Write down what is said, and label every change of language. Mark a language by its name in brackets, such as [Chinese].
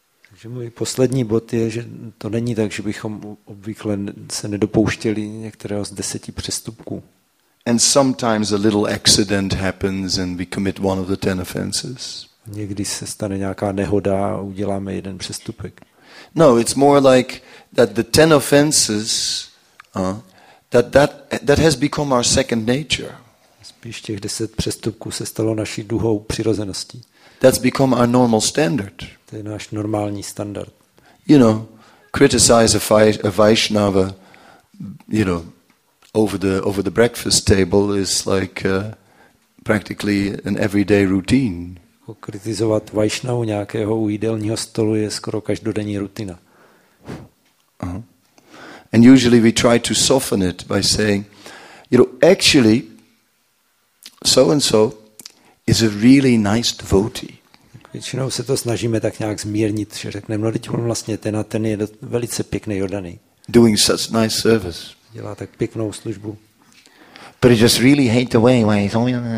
[Czech] Takže můj poslední bod je, že to není tak, že bychom obvykle se nedopouštěli některého z 10 přestupků. [English] And sometimes a little accident happens, and we commit one of the 10 offenses. [Czech] Někdy se stane nějaká nehoda a uděláme jeden přestupek. [English] No, it's more like that the 10 offenses that has become our second nature. [Czech] Spíš těch 10 přestupků se stalo naší duhou přirozeností. [English] That's become our normal standard. [Czech] To je náš normální standard. [English] You know, criticize a Vaishnava, you know, over the breakfast table is like practically an everyday routine. [Czech] Kritizovat Vaishnavu nějakého u jídelního stolu je skoro každodenní rutina. [English] And usually we try to soften it by saying, you know, actually, so and so is a really nice devotee. [Czech] Většinou se to snažíme tak nějak zmírnit, že řekneme, no, teď on vlastně ten a ten je velice pěkný oddaný. [English] Doing such nice service. [Czech] Dělá tak pěknou službu. [English] But he just really hates the way why he's always.